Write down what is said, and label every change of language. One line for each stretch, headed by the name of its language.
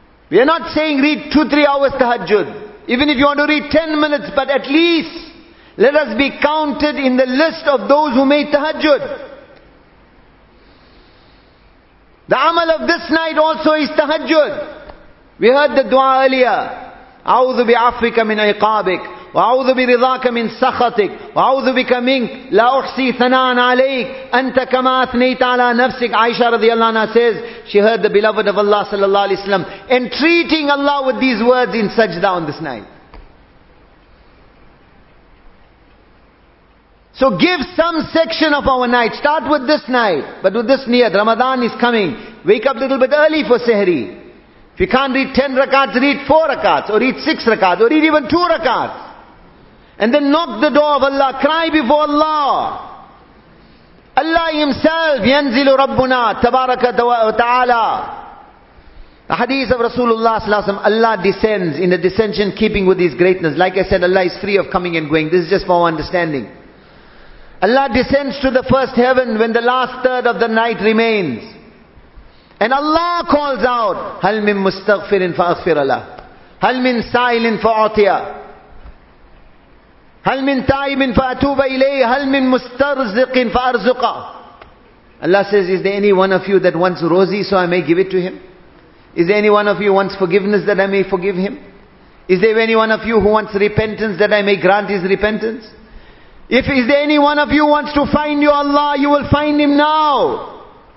English: We are not saying read 2-3 hours tahajjud. Even if you want to read 10 minutes, but at least let us be counted in the list of those who made tahajjud. The amal of this night also is tahajjud. We heard the dua earlier.
Arabic: A'udhu bi'afrika min iqabik. وأعوذ برضاك من سخطك وأعوذ بك منك لا أحصي ثناء عليك أنت كما أثنيت على نفسك.
English: Aisha radiallahu anha says she heard the beloved of Allah sallallahu alaihi wasallam entreating Allah with these words in sajda on this night. So give some section of our night. Start with this night, but with this niyat. Ramadan is coming. Wake up a little bit early for sehri. If you can't read 10 rakats, read 4 rakats or read 6 rakats or read even 2 rakats. And then knock the door of Allah. Cry before Allah. Allah Himself,
Arabic: Yanzilu Rabbuna, Tabaraka Ta'ala.
English: The hadith of Rasulullah Sallallahu Alaihi Wasallam, Allah descends in the descension keeping with His greatness. Like I said, Allah is free of coming and going. This is just for our understanding. Allah descends to the first heaven when the last third of the night remains. And Allah calls out,
Arabic: Hal min mustaghfirin fa'aghfir Allah. Hal min sa'ilin fa'atiya. هل من تائب فأتوب إليه هل من مسترزق فأرزق.
English: Allah says, is there any one of you that wants rosy so I may give it to him? Is there any one of you who wants forgiveness that I may forgive him? Is there any one of you who wants repentance that I may grant his repentance? Is there any one of you who wants to find your Allah, you will find him now.